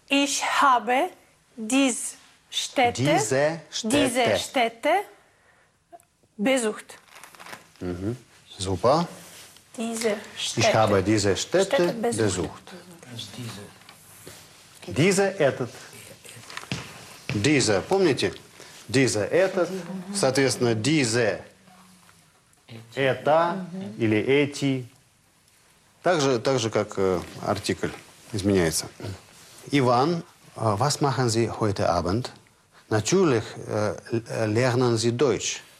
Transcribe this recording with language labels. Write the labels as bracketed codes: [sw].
[de] Ich habe diese Städte besucht. Super. Ich habe diese Städte besucht. Diese, этот. Diese, помните? Diese, этот. [ru] Соответственно, diese, это или эти. Так же, как артикль изменяется. [de] Иван, was machen Sie heute Abend? Natürlich lernen Sie Deutsch.